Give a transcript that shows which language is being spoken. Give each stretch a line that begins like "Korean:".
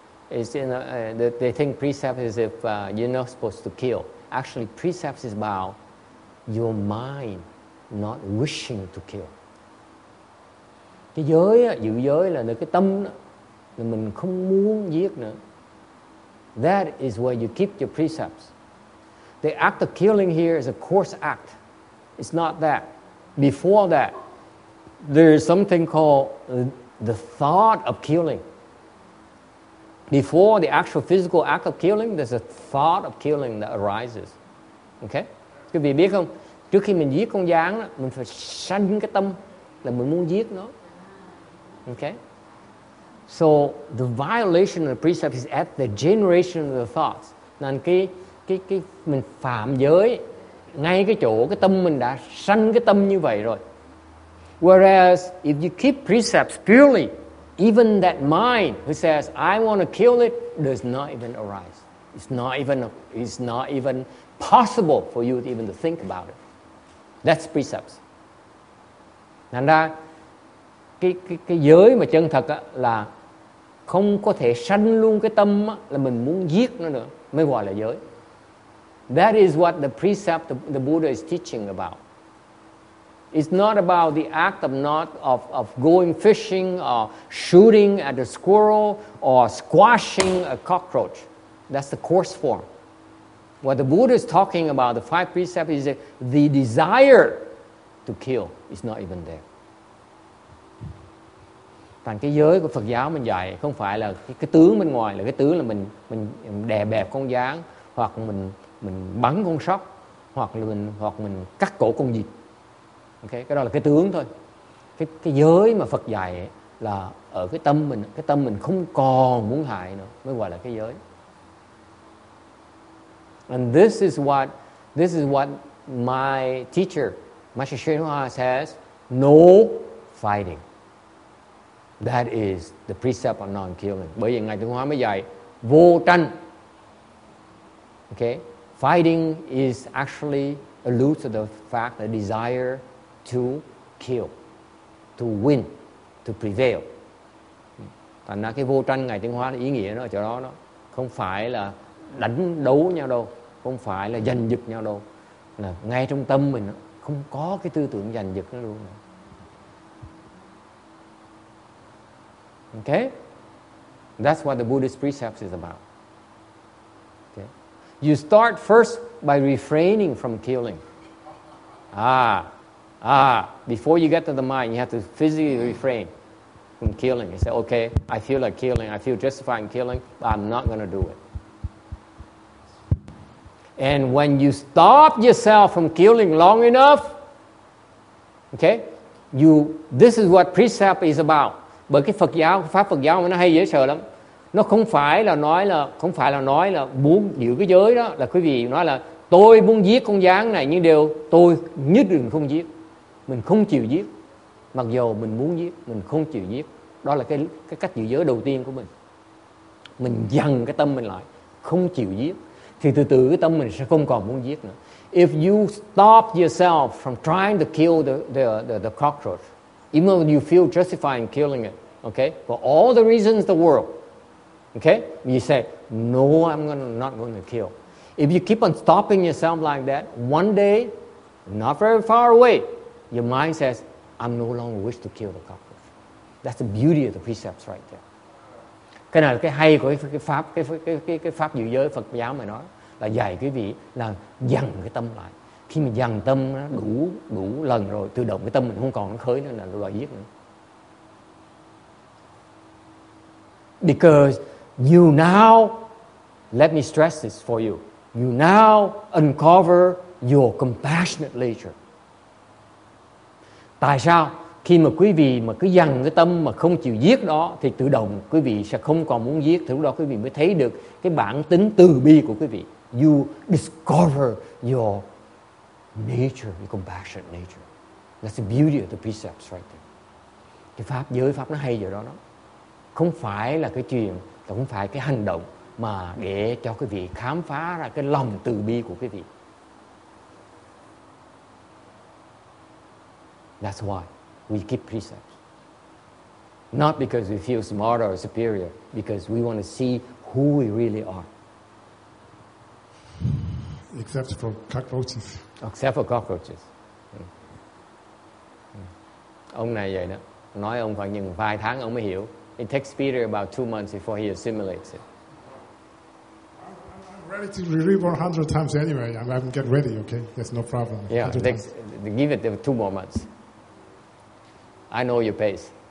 English: It's in a, they think precepts is if you're not supposed to kill. Actually, precepts is about your mind not wishing to kill.
Vietnamese: Cái giới, giữ giới là cái tâm là mình không muốn giết nữa.
English: That is where you keep your precepts. The act of killing here is a coarse act. It's not that. Before that, there is something called the thought of killing. Before the actual physical act of killing, there's a thought of killing that arises.
Vietnamese: Okay? Quý vị biết không? Trước khi mình giết con gián, mình phải sanh cái tâm là mình muốn giết nó.
English: Okay? So the violation of the precept is at the generation of the thoughts.
Vietnamese: Nên cái mình phạm giới ngay cái chỗ cái tâm mình đã sanh cái tâm như vậy rồi.
English: Whereas if you keep precepts purely, even that mind who says I want to kill it does not even arise. It's not even possible for you to even to think about it. That's precepts.
Vietnamese: Nên ra cái giới mà chân thật á là không có thể sanh luôn cái tâm á, là mình muốn giết nó nữa mới gọi là giới.
English: That is what the precept the Buddha is teaching about. It's not about the act of not of going fishing or shooting at a squirrel or squashing a cockroach. That's the coarse form. What the Buddha is talking about, the five precepts, is that the desire to kill is not even there.
Vietnamese: Thành cái giới của Phật giáo mình dạy không phải là cái tướng bên ngoài, là cái tướng là mình đè bẹp con gián, hoặc mình bắn con sóc, hoặc là mình cắt cổ con vịt. Okay, cái đó là cái tướng thôi. Cái giới mà Phật dạy là ở cái tâm mình không còn muốn hại nữa mới gọi là cái giới.
English: And this is what my teacher Master Shenhua says, no fighting. That is the precept of non-killing.
Vietnamese: Bởi vì Ngài Tuyên Hóa mới dạy vô tranh.
English: Okay? Fighting is actually alludes to the fact that desire to kill, to win, to prevail.
Vietnamese: Thành ra cái vô tranh Ngài Tuyên Hóa ý nghĩa nó ở chỗ đó. Không phải là đánh đấu nhau đâu. Không phải là giành giật nhau đâu. Là ngay trong tâm mình không có cái tư tưởng giành giật nó luôn.
English: Okay? That's what the Buddhist precepts is about. Okay? You start first by refraining from killing. Before you get to the mind, you have to physically refrain from killing. You say, okay, I feel like killing. I feel justified in killing, but I'm not going to do it. And when you stop yourself from killing long enough, okay, this is what precept is about.
Vietnamese: Bởi cái Phật giáo, pháp Phật giáo nó hay dễ sợ lắm. Nó không phải là nói là muốn giữ cái giới đó, là quý vị nói là tôi muốn giết con gián này, nhưng điều tôi nhất định không giết. Mình không chịu giết. Mặc dù mình muốn giết, mình không chịu giết. Đó là cái cách giữ giới đầu tiên của mình. Mình dằn cái tâm mình lại, không chịu giết. Thì từ từ cái tâm mình sẽ không còn muốn giết nữa.
English: If you stop yourself from trying to kill the cockroach, even though you feel justified in killing it, okay, for all the reasons in the world, okay, you say, no, I'm not going to kill. If you keep on stopping yourself like that, one day, not very far away, your mind says, I'm no longer wish to kill the cockroach. That's the beauty of the precepts right there.
Vietnamese: Cái này là cái hay của cái pháp giữ giới Phật giáo mà nói, là dạy quý vị là dằn cái tâm lại. Khi mình dằn tâm nó đủ lần rồi, tự động cái tâm mình không còn nó khởi nữa, là nó gọi giết nữa.
English: Because you now, let me stress this for you, you now uncover your compassionate nature.
Vietnamese: Tại sao? Khi mà quý vị mà cứ dằn cái tâm mà không chịu giết đó, thì tự động quý vị sẽ không còn muốn giết. Thì lúc đó quý vị mới thấy được cái bản tính từ bi của quý vị.
English: You discover your nature, your compassionate nature. That's the beauty of the precepts right there.
Vietnamese: Cái pháp giới, pháp nó hay vậy đó. Không phải là cái chuyện, không phải cái hành động, mà để cho quý vị khám phá ra cái lòng từ bi của quý vị.
English: That's why we keep precepts. Not because we feel smarter or superior, because we want to see who we really are. Except for cockroaches. Except for cockroaches.
Vietnamese: Ông này vậy đó. Nói ông khoảng những vài tháng ông mới hiểu.
English: It takes Peter about 2 months before he assimilates it. I'm ready to read 100 times anyway. I haven't get ready, okay? There's no problem. Yeah, give it 2 more months. I know your pace.